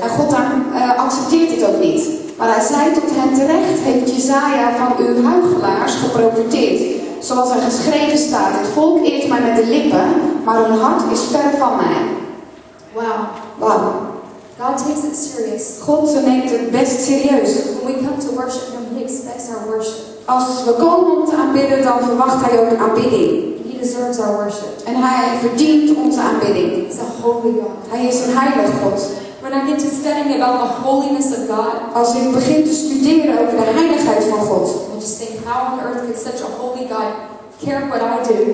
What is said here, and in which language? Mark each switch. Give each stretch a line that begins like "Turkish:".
Dutch: En God dan accepteert het ook niet. Maar hij zei tot hen terecht, heeft Jesaja van uw huichelaars geprofiteerd. Zoals er geschreven staat, het volk eert mij met de lippen, maar hun hart is ver van mij. Wow. Wow.
English: God takes it serious.
Dutch: God neemt het best serieus.
English: When we come to worship him, he expects our worship.
Dutch: Als we komen om te aanbidden, dan verwacht hij ook aanbidding.
English: Deserves our worship.
Dutch: En hij verdient onze aanbidding.
English: He's a holy God.
Dutch: Hij is een heilig God.
English: When I get to studying about the holiness of God,
Dutch: als ik begin te studeren over de heiligheid van God,
English: I just think, how on earth could such a holy God care what I do?